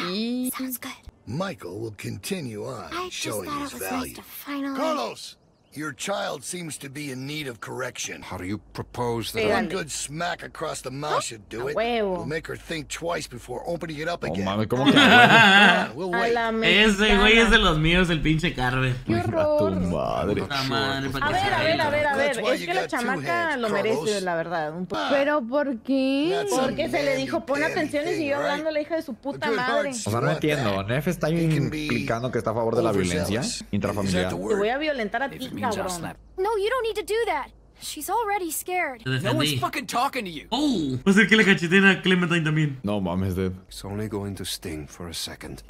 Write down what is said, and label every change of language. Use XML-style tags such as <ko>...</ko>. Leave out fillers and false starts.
<en>Okay, yeah, sounds good. Michael will continue on showing his value. Carlos, your child seems to be in need of correction. How do you propose that? One good smack across the mouth should do it. We'll make her think twice before opening it up again.</en> <es>Oh, mami, ¿cómo que?</es> <en>We'll wait.</en> <es>Ese güey es de los míos, el pinche Carver. ¡Qué horror! ¡Tu madre! A ver. Es que la chamaca lo merece, la verdad. ¿Pero por qué? Porque se le dijo, pon atención y siguió hablando a la hija de su puta madre. O sea, no entiendo. Neff está implicando que está a favor de la violencia intrafamiliar. Te voy a violentar a ti. Cabrón.</es> <en>No, you don't need to do that. She's already scared. No one's fucking talking to you.</en> <es>Oh, va a ser que le cachetea a Clementine también. No mames, dude.</es> <en>It's only going to sting for a second.</en>